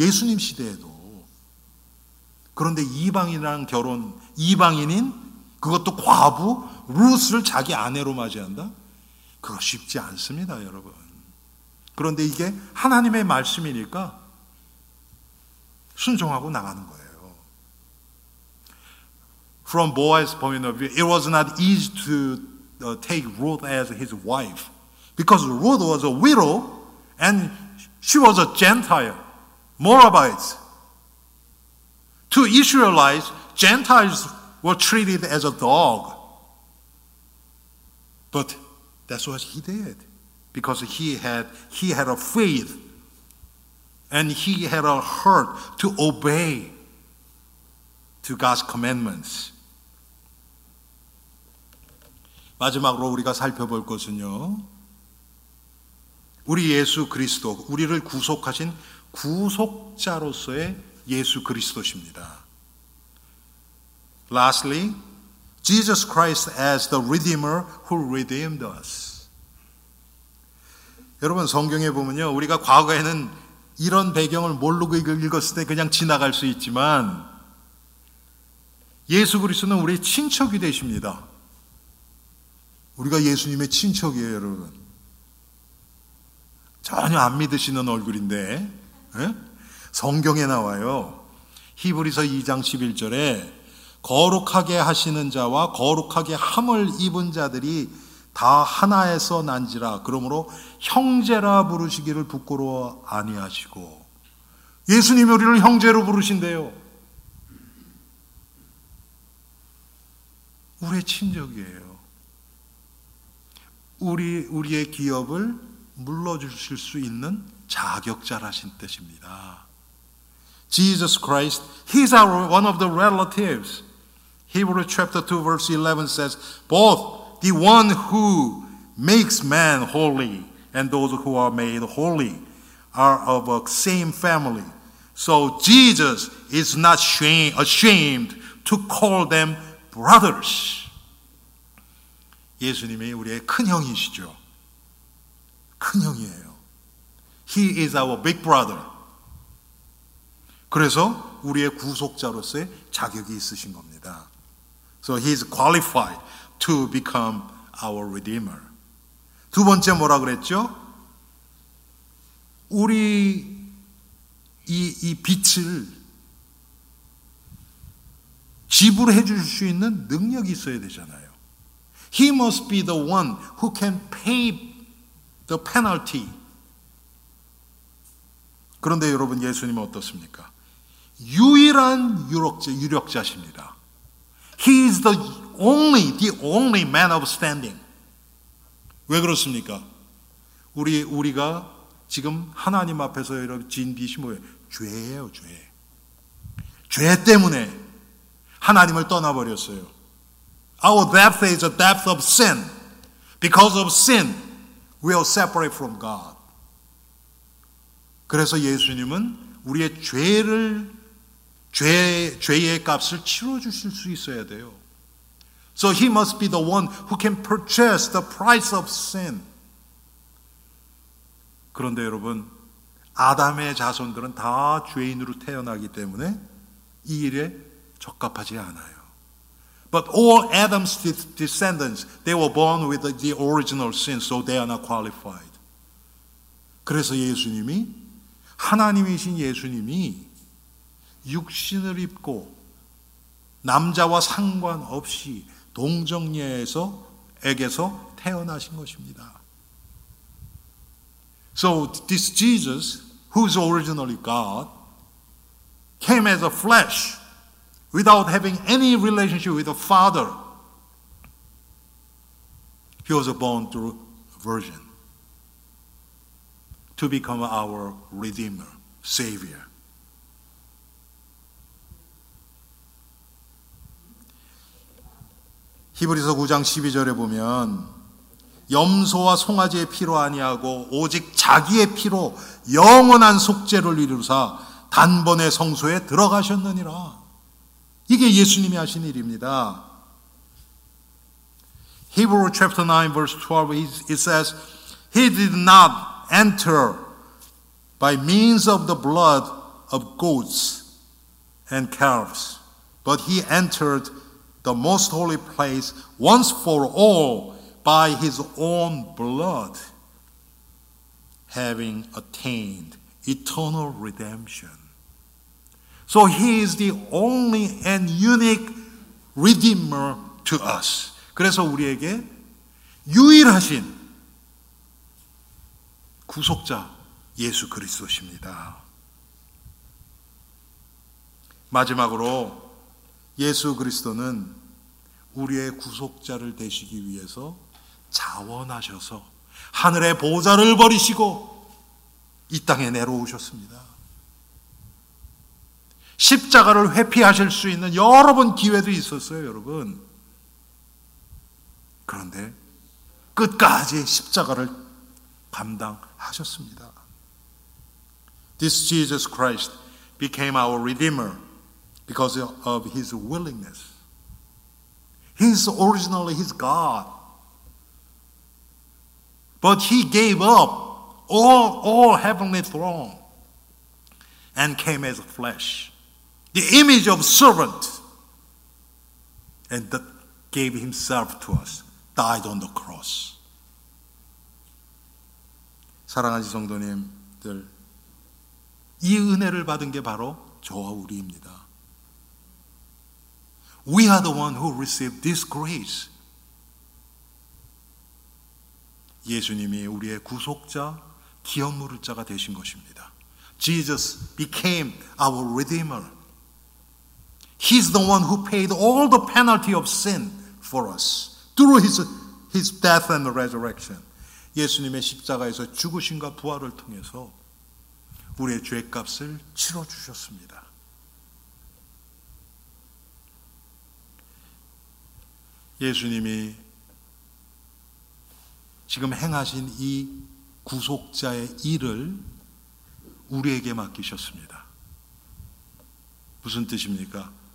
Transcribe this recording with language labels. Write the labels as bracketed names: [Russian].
[Korean] 예수님 시대에도. 그런데 이방인이랑 결혼, 이방인인 그것도 과부 루스를 자기 아내로 맞이한다? 그거 쉽지 않습니다, 여러분. 그런데 이게 하나님의 말씀이니까 순종하고 나가는 거예요. [English] From Boaz's point of view, it was not easy to take Ruth as his wife because Ruth was a widow and she was a Gentile, Moabite. To Israelites, Gentiles were treated as a dog. But that's what he did because he had a faith and he had a heart to obey to God's commandments. [Korean] 마지막으로 우리가 살펴볼 것은요. 우리 예수 그리스도, 우리를 구속하신 구속자로서의 예수 그리스도십니다. [English] Lastly, Jesus Christ as the Redeemer who redeemed us. [Korean] 여러분 성경에 보면요. 우리가 과거에는 이런 배경을 모르고 읽었을 때 그냥 지나갈 수 있지만 예수 그리스도는 우리의 친척이 되십니다. 우리가 예수님의 친척이에요, 여러분. 전혀 안 믿으시는 얼굴인데 에? 성경에 나와요. 히브리서 2장 11절에 거룩하게 하시는 자와 거룩하게 함을 입은 자들이 다 하나에서 난지라. 그러므로 형제라 부르시기를 부끄러워 아니하시고. 예수님이 우리를 형제로 부르신대요. 우리의 친족이에요. 우리의 기업을 물러주실 수 있는 자격자라신 뜻입니다. [English] Jesus Christ, he's one of the relatives. Hebrews chapter 2 verse 11 says, both the one who makes man holy and those who are made holy are of a same family. So Jesus is not ashamed to call them brothers. [Korean] 예수님이 우리의 큰형이시죠. 큰형이에요. [English] He is our big brother. [Korean] 그래서 우리의 구속자로서의 자격이 있으신 겁니다. [English] So he's qualified to become our redeemer. [Korean] 두 번째 뭐라 그랬죠? 우리 이 빚을 지불해 줄 수 있는 능력이 있어야 되잖아요. [English] He must be the one who can pay the penalty. [Korean] 그런데 여러분 예수님은 어떻습니까? 유일한 유력자십니다. [English] He is the only man of standing. [Korean] 왜 그렇습니까? 우리가 지금 하나님 앞에서 여러분 지은 빚이 뭐예요? 죄예요, 죄. 죄 때문에 하나님을 떠나버렸어요. [English] Our depth is a depth of sin. Because of sin, we are separate from God. [Korean] 그래서 예수님은 우리의 죄의 값을 치러주실 수 있어야 돼요. [English] So he must be the one who can purchase the price of sin. [Korean] 그런데 여러분, 아담의 자손들은 다 죄인으로 태어나기 때문에 이 일에 적합하지 않아요. [English] But all Adam's descendants, they were born with the original sin, so they are not qualified. [Korean] 그래서 예수님이, 하나님이신 예수님이 육신을 입고 남자와 상관없이 동정녀에게서 태어나신 것입니다. [English] So this Jesus, who's originally God, came as a flesh without having any relationship with the Father. He was born through a virgin to become our Redeemer, Savior. [Korean] 히브리서 9장 12절에 보면 염소와 송아지의 피로 아니하고 오직 자기의 피로 영원한 속죄를 이루사 단번에 성소에 들어가셨느니라. 이게 예수님이 하신 일입니다. [English] Hebrews chapter 9 verse 12 it says he did not enter by means of the blood of goats and calves but he entered the most holy place once for all by his own blood having attained eternal redemption. So he is the only and unique redeemer to us. [Korean] 그래서 우리에게 유일하신 구속자 예수 그리스도십니다. 마지막으로 예수 그리스도는 우리의 구속자를 되시기 위해서 자원하셔서 하늘의 보좌를 버리시고 이 땅에 내려오셨습니다. 십자가를 회피하실 수 있는 여러 번 기회도 있었어요, 여러분. 그런데 끝까지 십자가를 감당하셨습니다. [English] This Jesus Christ became our Redeemer because of his willingness. He's originally his God. But he gave up all heavenly throne and came as flesh. The image of servant and that gave himself to us. Died on the cross. [Korean] 사랑하는 성도님들, 이 은혜를 받은 게 바로 저와 우리입니다. [English] We are the one who received this grace. [Korean] 예수님이 우리의 구속자, 기업무를자가 되신 것입니다. [English] Jesus became our redeemer. He's the one who paid all the penalty of sin for us through his death and resurrection. [Korean] 예수님의 십자가에서 죽으심과 부활을 통해서 우리의 죄값을 치러주셨습니다. 예수님이 지금 행하신 이 구속자의 일을 우리에게 맡기셨습니다. 무슨 뜻입니까?